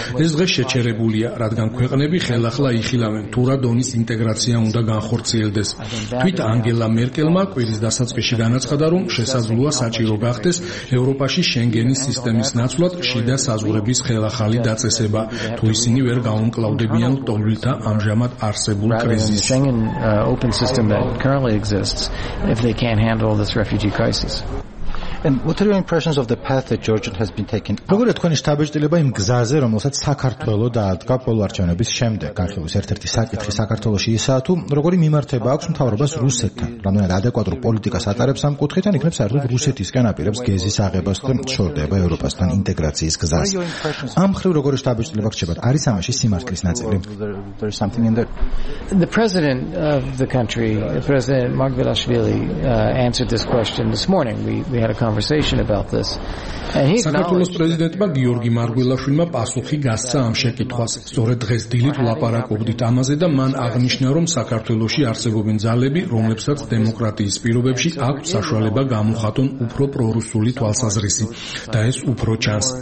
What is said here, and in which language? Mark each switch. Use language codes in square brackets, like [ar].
[ka] ეს დღეს შეჩერებულია, რადგან ქვეყნები ხელახლა იხილავენ, თუ რა დონის ინტეგრაცია უნდა განხორციელდეს. თვით ანგელა მერკელმა კვირის დასაწყისში განაცხადა, რომ შესაძლოა საჭირო გახდეს ევროპაში შენგენის სისტემის ნაცვლად შიდა საზღვრების ხელახალი დაწესება, თუ ისინი ვერ გაუმკლავდებიან ტოლვილთა ამჟამად არსებულ კრიზისს. [en] Schengen open system that currently exists if they can't handle this refugee crisis. And what are your impressions of the path that Georgia has been taken? [ka] როგორია თქვენი შთაბეჭდილება იმ გზაზე, რომელსაც საქართველო დაადგა პოლო არჩევნების შემდეგ? განხილვის ერთ-ერთი საკითხი საქართველოში ისაა, თუ როგორი მიმართება აქვს მთავრობას რუსეთთან? რამდენად ადეკვატურ პოლიტიკას ატარებს ამ კუთხიდან, იქნებ საერთოდ რუსეთისგან აპირებს გეზის აღებას და შორდება ევროპასთან ინტეგრაციის გზას? ამ მხრივ როგორი შთაბეჭდილება გჩებათ? არის ამაში სიმართლის ნაწილი? [en] The president of the country, President Margvelashvili, answered this question this morning. We had a conversation about this. And he's [ka] საქართველოს პრეზიდენტმა გიორგი მარგველაშვილმა პასუხი გასცა ამ შეკითხვას. სწორედ დღეს დილით ვლაპარაკობდით ამაზე და მან აღნიშნა, რომ საქართველოში არსებობენ ძალები, რომლებსაც დემოკრატიის პირობებში აქვს საშუალება გამოხატონ უფრო პრორუსული თვალსაზრისი და ეს უფრო ჩანს.